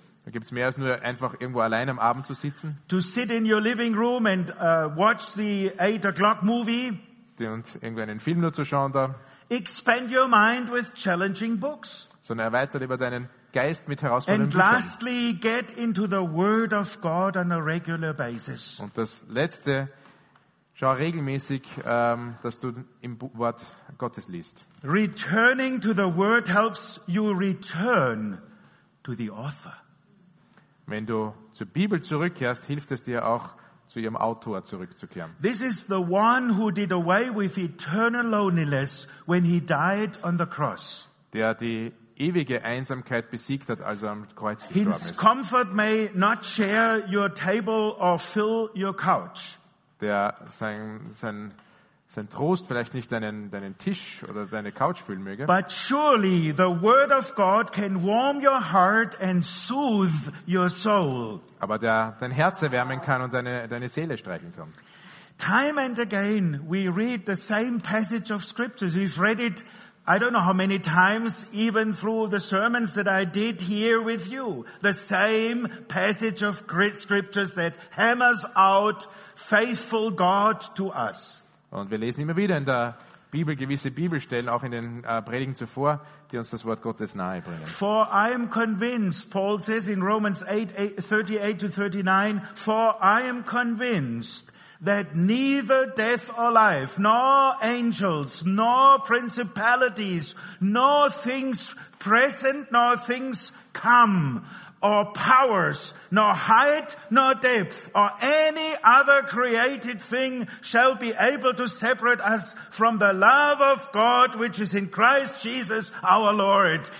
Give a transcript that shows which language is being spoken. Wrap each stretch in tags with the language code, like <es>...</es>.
<de>Da gibt's mehr als nur einfach irgendwo allein am Abend zu sitzen.</de> <en>To sit in your living room and watch the 8 o'clock movie.</en> <de>Und irgendwo einen Film nur zu schauen da.</de> <en>Expand your mind with challenging books.</en> <de>Sondern erweitere lieber deinen Geist mit herausfordernden Büchern.</de> <en>And lastly, get into the Word of God on a regular basis.</en> <de>Und das letzte, schau regelmäßig, dass du im Wort Gottes liest.</de> <en>Returning to the Word helps you return to the Author.</en> <de>Wenn du zur Bibel zurückkehrst, hilft es dir auch, zu ihrem Autor zurückzukehren.</de> <en>This is the one who did away with eternal loneliness when he died on the cross.</en> <de>Der die ewige Einsamkeit besiegt hat, als er am Kreuz gestorben ist.</de> <en>His comfort may not share your table or fill your couch.</en> <de>Der sein Trost vielleicht nicht deinen Tisch oder deine Couch füllen möge.</de> <en>But surely the word of God can warm your heart and soothe your soul.</en> <de>Aber der dein Herz erwärmen kann und deine Seele streichen kann.</de> <en>Time and again we read the same passage of scriptures. We've read it, I don't know how many times, even through the sermons that I did here with you. The same passage of scriptures that hammers out faithful God to us.</en> <de>Und wir lesen immer wieder in der Bibel gewisse Bibelstellen, auch in den Predigen zuvor, die uns das Wort Gottes nahe bringen.</de> <en>For I am convinced, Paul says in Romans 8:38-39, for I am convinced that neither death or life, nor angels, nor principalities, nor things present, nor things come, or powers, nor height, nor depth, or any other created thing shall be able to separate us from the love of God, which is in Christ Jesus our Lord.</en>